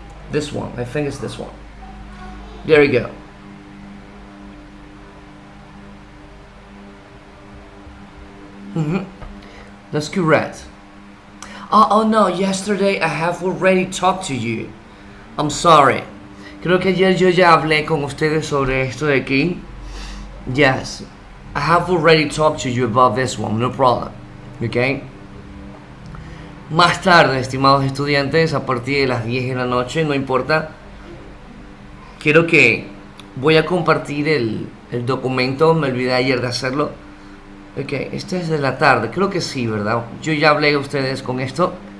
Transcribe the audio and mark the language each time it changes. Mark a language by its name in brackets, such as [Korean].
[English] This one, I think it's this one. There you go. That's correct. Oh no, yesterday I have already talked to you. I'm sorry. [Spanish] Creo que ayer yo ya hablé con ustedes sobre esto de aquí. [English] Yes, I have already talked to you about this one, no problem. Okay? [Spanish] Más tarde, estimados estudiantes, a partir de las 10 de la noche, no importa. Quiero que voy a compartir el documento, me olvidé ayer de hacerlo. Ok, esto es de la tarde, creo que sí, ¿verdad? Yo ya hablé a ustedes con esto.